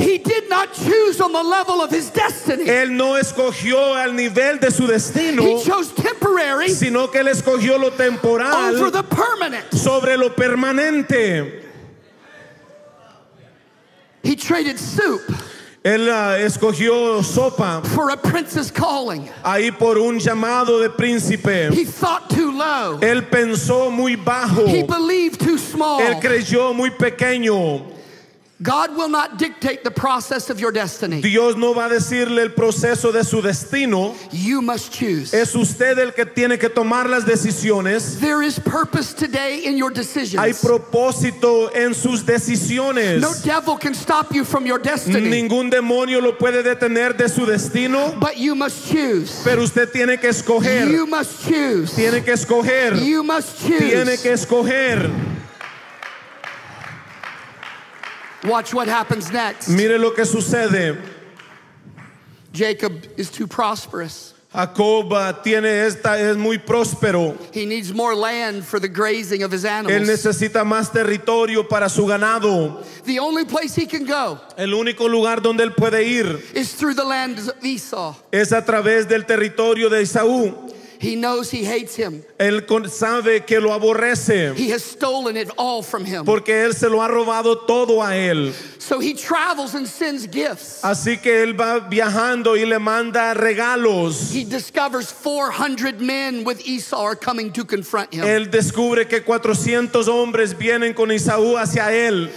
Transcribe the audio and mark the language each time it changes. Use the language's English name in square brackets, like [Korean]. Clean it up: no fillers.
[English] He did not choose on the level of his destiny. [Spanish] Él no escogió al nivel de su destino. [English] He chose temporary. [Spanish] Sino que él escogió lo temporal. [English] Over the permanent. [Spanish] Sobre lo permanente. [English] He traded soup. [Spanish] Él escogió sopa. [English] For a prince's calling. [Spanish] Ahí por un llamado de príncipe. [English] He thought too low. [Spanish] Él pensó muy bajo. [English] He believed too small. [Spanish] Él creyó muy pequeño. [English] God will not dictate the process of your destiny. [Spanish] Dios no va a decirle el proceso de su destino. [English] You must choose. [Spanish] Es usted el que tiene que tomar las decisiones. [English] There is purpose today in your decisions. [Spanish] Hay propósito en sus decisiones. [English] No devil can stop you from your destiny. [Spanish] Ningún demonio lo puede detener de su destino. [English] But you must choose. [Spanish] Pero usted tiene que escoger. [English] You must choose. [Spanish] Tiene que escoger. [English] You must choose. [Spanish] Tiene que escoger. [English] Watch what happens next. [Spanish] Mire lo que sucede. [English] Jacob is too prosperous. [Spanish] Jacob es muy próspero. [English] He needs more land for the grazing of his animals. [Spanish] Él necesita más territorio para su ganado. [English] The only place he can go. [Spanish] El único lugar donde él puede ir. [English] Is through the land of Esau. [Spanish] Es a través del territorio de Esaú. [English] He knows he hates him. [Spanish] Él sabe que lo aborrece. [English] He has stolen it all from him. [Spanish] Porque él se lo ha robado todo a él. [English] So he travels and sends gifts. [Spanish] Así que él va viajando y le manda regalos. [English] He discovers 400 men with Esau are coming to confront him. [Spanish] Él descubre que 400 hombres vienen con Esaú hacia él.